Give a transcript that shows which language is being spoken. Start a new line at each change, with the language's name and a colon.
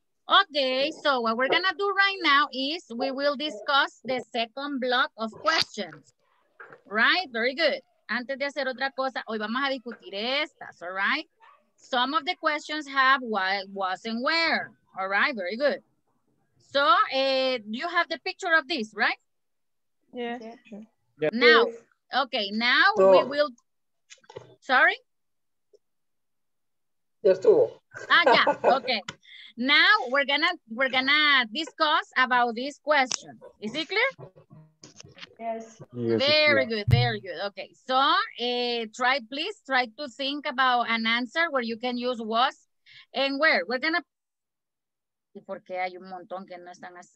English: Okay, so what we're gonna do right now is we will discuss the second block of questions. Right? Very good.
Spanish: Antes de hacer otra cosa, hoy vamos a discutir estas,
English: all right? Some of the questions have why, was, and where. All right, very good. So, you have the picture of this, right? Yeah. Now, okay, now so, we will, sorry? Yes, too. Ah, yeah, okay. Now we're gonna discuss about this question. Is it clear? Yes. Very good. Okay. So please try to think about an answer where you can use was and where. We're gonna.
Spanish: ¿Y por qué hay un montón que no están as...